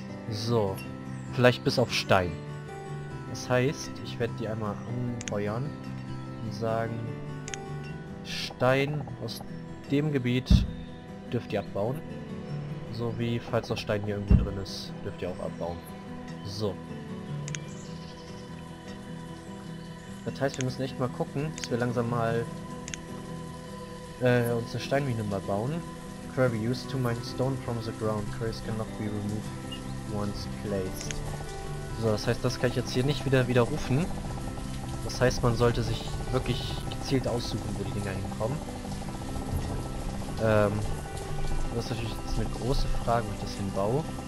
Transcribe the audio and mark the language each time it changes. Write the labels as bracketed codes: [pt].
[de] So. Vielleicht bis auf Stein. Das heißt, ich werde die einmal anfeuern und sagen, Stein aus dem Gebiet dürft ihr abbauen. So wie, falls noch Stein hier irgendwo drin ist, dürft ihr auch abbauen. So. Das heißt, wir müssen echt mal gucken, dass wir langsam mal unsere Steinmine mal bauen. [en] Quarry used to mine stone from the ground. Quarries cannot be removed once placed. [de] So, das heißt, das kann ich jetzt hier nicht wieder widerrufen. Das heißt, man sollte sich wirklich gezielt aussuchen, wo die Dinger hinkommen. Das ist natürlich jetzt eine große Frage, wo ich das hinbaue.